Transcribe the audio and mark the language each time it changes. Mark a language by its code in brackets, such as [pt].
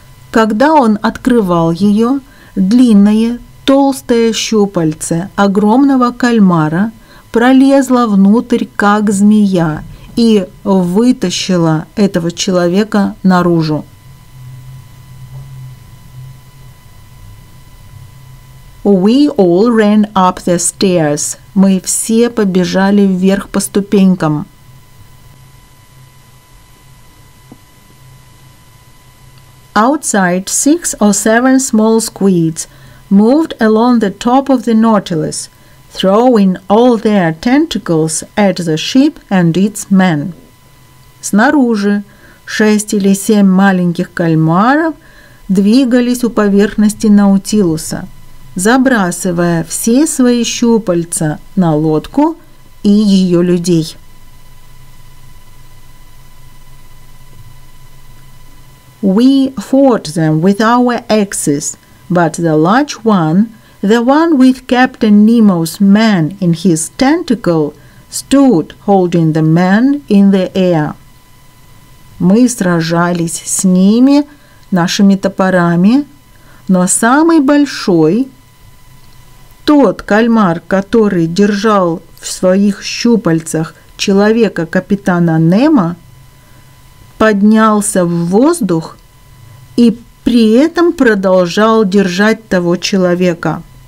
[ru] Когда он открывал ее, длинное толстое щупальце огромного кальмара пролезло внутрь, как змея, и вытащило этого человека наружу. — [en] We all ran up the stairs. [ru] Мы все побежали вверх по ступенькам. [en] Outside, six or seven small squids moved along the top of the Nautilus, throwing all their tentacles at the ship and its men. [ru] Снаружи шесть или семь маленьких кальмаров двигались у поверхности Наутилуса, забрасывая все свои щупальца на лодку и ее людей. [en] We fought them with our axes, but the large one, the one with Captain Nemo's man in his tentacle, stood holding the man in the air. [ru] Мы сражались с ними нашими топорами, но самый большой, тот кальмар, который держал в своих щупальцах человека капитана Немо, поднялся в воздух и при этом продолжал держать того человека.